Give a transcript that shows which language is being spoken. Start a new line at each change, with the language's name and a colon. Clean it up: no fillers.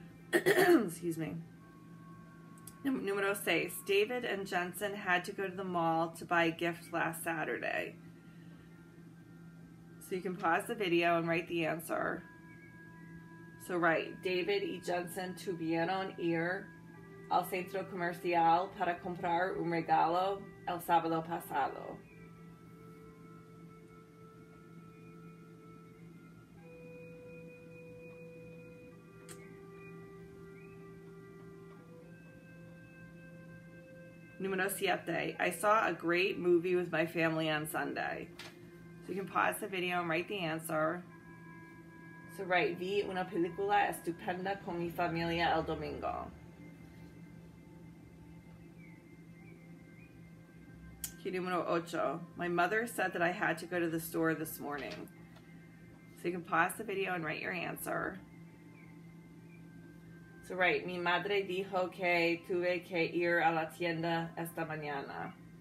English: Excuse me.
Spanish: Número seis,
English: David and Jensen had to go to the mall to buy a gift last Saturday. So you can pause the video and write the answer. So write
Spanish: David y Jensen tuvieron ir al centro comercial para comprar un regalo el sábado pasado. Número siete.
English: I saw a great movie with my family on Sunday. So you can pause the video and write the answer. So write,
Spanish: vi una película estupenda con mi familia el domingo. Key número ocho.
English: My mother said that I had to go to the store this morning. So you can pause the video and write your answer. So right,
Spanish: mi madre dijo que tuve que ir a la tienda esta mañana.